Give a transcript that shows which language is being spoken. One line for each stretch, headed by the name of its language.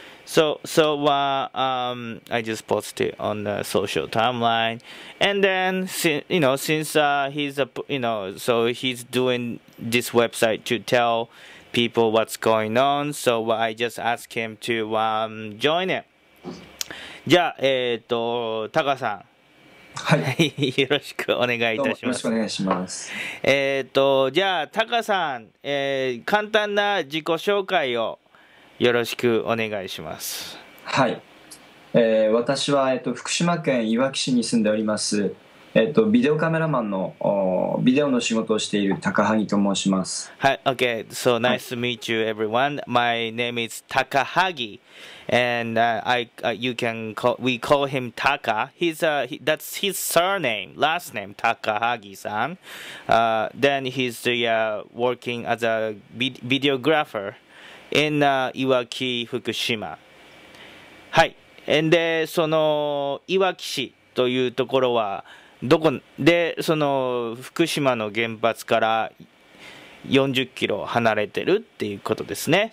English: So I just posted on the social timeline, and then since he's doing this website to tell people what's going on, so I just asked him to join it.
Japanese: じゃあ、タカさん、はい、よろしくお願いいたします。よろしくお願いします。じゃあタカさん、簡単な自己紹介をよろしくお願いします。はい、私は福島県いわき市に住んでおります。ビデオカメラマンのビデオの仕事をしている高萩と申します。
English: はい、Okay, so nice to meet you, everyone. My name is Takahagi, and we call him Taka. That's his surname, last name, Takahagi-san. Then he's working as a videographer in Iwaki, Fukushima.
Japanese: はい、and そのいわき市というところはどこで、その福島の原発から40キロ離れてるっていうことですね。